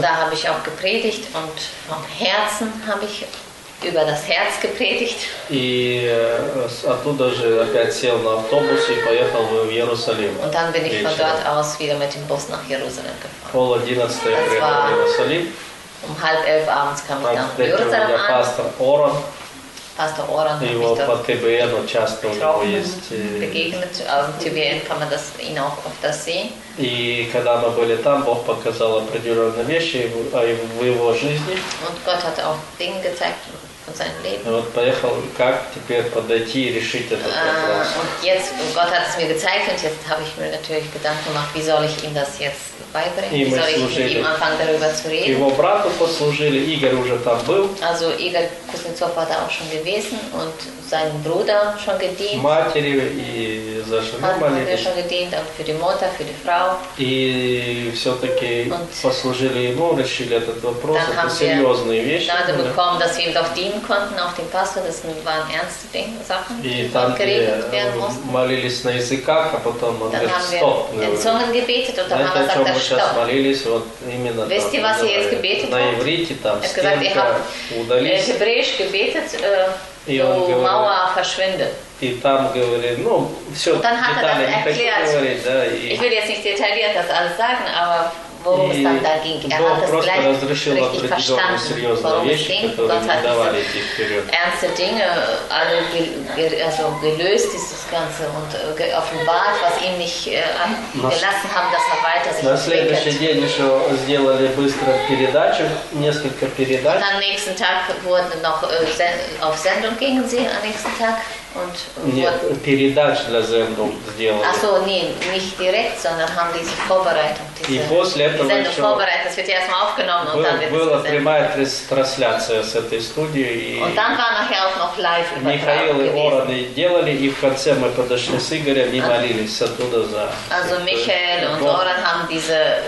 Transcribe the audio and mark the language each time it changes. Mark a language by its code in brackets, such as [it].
[de] Da habe ich auch gepredigt und vom Herzen habe ich über das Herz gepredigt. [ru] И оттуда же опять сел на автобус и поехал в Иерусалим. [de] Und dann bin ich von dort aus wieder mit dem Bus nach Jerusalem gefahren. [ru] Пол одиннадцатого приехал в Иерусалим. [de] Um 10:30 abends kam ich dann in Jerusalem an. Pastor Oran. Pastor Oran habe ich dort getroffen. [ru] Часто у него есть. [de] Begegnet, TBN kann man das ihn auch oft sehen. [ru] И когда мы были там, Бог показал определенные вещи в его жизни. [de] Und Gott hat auch Dinge gezeigt von seinem Leben. [ru] И вот поехал, как теперь подойти и решить этот вопрос. [de] Und jetzt, Gott hat es mir gezeigt und jetzt habe ich mir natürlich Gedanken gemacht, wie soll ich ihm das jetzt beibringen? Wie soll ich mit ihm anfangen, darüber zu reden? [ru] Его брату послужили, Игорь уже там был. [de] Also Игорь Кузнецов war da auch schon gewesen und seinem Bruder schon gedient. [ru] Матери и за жену молились. Матери [de] schon gedient, auch für die Mutter, für die Frau. [ru] И все-таки послужили ему, решили этот вопрос. Это серьезные вещи. [de] Dann haben wir Gnade bekommen, dass wir ihm doch dienen konnten, auch dem Pastor. Das waren ernste Dinge, Sachen, die geregelt werden mussten. [ru] Молились на языках, а потом он говорит, стоп. [de] Dann haben wir in Zungen gebetet und dann haben wir gesagt, stopp. [ru] Сейчас молились, вот именно [de] Wisst ihr, was ihr jetzt gebetet habt? [ru] На иврите, там, стенка, удались. [de] Hebräisch gebetet, so Mauer verschwinde. [ru] И там говорит, ну, все, детали не хочу говорить. [de] Ich will jetzt nicht detailliert das alles sagen, aber worum es dann da ging. Er hat das gleich richtig verstanden, worum es ging. Gott hat ernste Dinge alle gelöst, dieses Ganze, und geoffenbart, was ihm nicht gelassen haben, dass er weiter sich entwickelt. Und am nächsten Tag wurden noch auf Sendung gingen sie am nächsten Tag. Und [ru] передач для Sendung сделали. [de] Ach so, nee, nicht direkt, sondern haben diese Vorbereitung. Diese Sendung vorbereitet, das wird ja erstmal aufgenommen und dann wird es [ru] прямая трансляция с этой студии. [de] Und dann war nachher auch noch live übertragen. [ru] Михаил и Оран делали, и в конце мы подошли с Игорем и молились оттуда за. [de] Also Michael und Oran haben diese